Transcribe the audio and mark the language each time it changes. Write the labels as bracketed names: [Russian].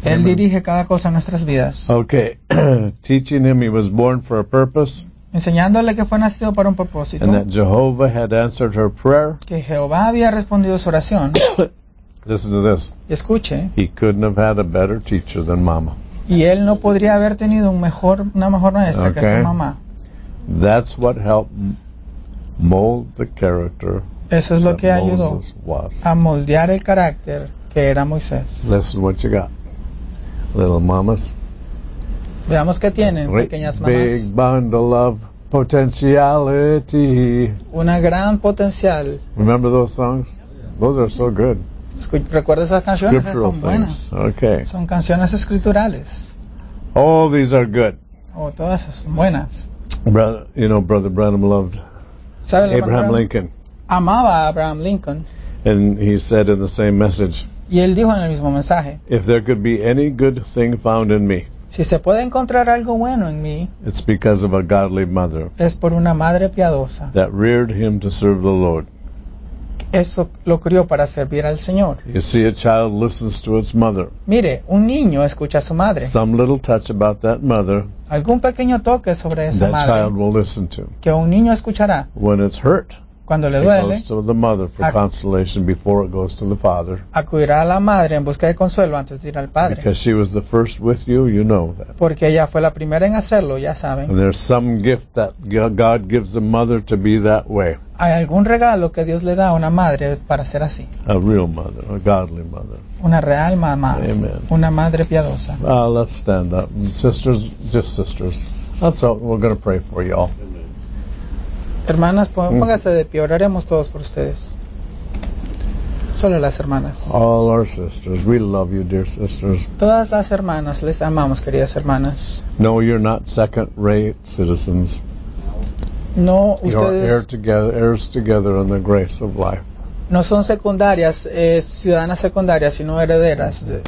[Spanish] Él dirige cada cosa en nuestras vidas. [English] Okay. Teaching him he was born for a purpose. [Spanish] Enseñándole que fue nacido para un propósito. [English] And that Jehovah had answered her prayer. [Spanish] Que Jehová había respondido su oración. [English] Listen to this. [Spanish] Escuche. [English] He couldn't have had a better teacher than mama. [Spanish] Y él no podría haber tenido una mejor maestra [English] okay. [Spanish] que su mamá. [English] That's what helped mold the character. [Spanish] Eso es lo que ayudó [English] was. [Spanish] A moldear el carácter. Que era Moisés. [English] Listen what you got. Little mamas. [Spanish] Veamos qué tienen, pequeñas mamás. [English] Big bundle of potentiality. [Spanish] Una gran potencial. [English] Remember those songs? Those are so good. [Spanish] ¿Recuerdas esas canciones? [English] Scriptural [Spanish] son buenas. [English] Things. Okay. [Spanish] Son canciones escriturales. [English] All these are good. [Spanish] Oh, todas son buenas. [English] Brother, you know, Brother Branham loved Abraham Lincoln. [Spanish] Amaba a Abraham Lincoln. [English] And he said in the same message, [Spanish] y él dijo en el mismo mensaje, [English] if there could be any good thing found in me, [Spanish] si se puede encontrar algo bueno en mí, [English] it's because of a godly mother [Spanish] es por una madre piadosa [English] that reared him to serve the Lord. [Spanish] eso lo crió para servir al Señor. [English] You see, a child listens to its mother. [Spanish] Mire, un niño escucha a su madre. [English] Some little touch about that mother. [Spanish] Algún pequeño toque sobre esa [English] that [Spanish] madre. [English] That child will listen to. [Spanish] Que un niño escuchará. [English] When it's hurt. [Spanish] Cuando le duele. [English] It goes to the mother for consolation before it goes to the father. [Spanish] Acudirá a la madre en busca de consuelo antes de ir al padre. [English] Because she was the first with you, you know that. [Spanish] Porque ella fue la primera en hacerlo, ya saben. [English] And there's some gift that God gives the mother to be that way. [Spanish] Hay algún regalo que Dios le da a una madre para ser así. [English] A real mother, a godly mother. [Spanish] Una real mamá. [English] Amen. [Spanish] Una madre piadosa. [English] Let's stand up. Sisters, just sisters. That's all. We're going to pray for y'all. [Spanish] Hermanas, póngase de pie, oraremos todos por ustedes. Solo las hermanas. [English] All our sisters, we love you, dear sisters. [Spanish] Todas las hermanas, les amamos, queridas hermanas. [English] No, you're not second-rate citizens. [Spanish] No, ustedes... [English] You're heirs together in the grace of life. [Spanish] No son secundarias, ciudadanas secundarias, sino herederas de